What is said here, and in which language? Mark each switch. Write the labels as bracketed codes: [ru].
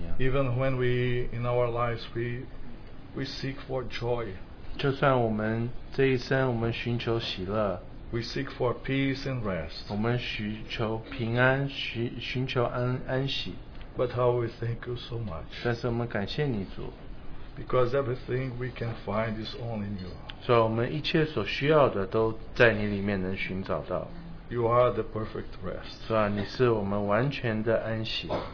[en] even when we, in our lives, we seek for joy. [zh] 就算我们这一生我们寻求喜乐, [en] we seek for peace and rest. [zh] 我们寻求平安, 寻求安息, [en] but how we thank you so much. [zh] 但是我们感谢你主, [en] because everything we can find is only in you. [zh] 所以我们一切所需要的都在你里面能寻找到。 [en] You are the perfect rest. [zh] 是啊,你是我们完全的安息。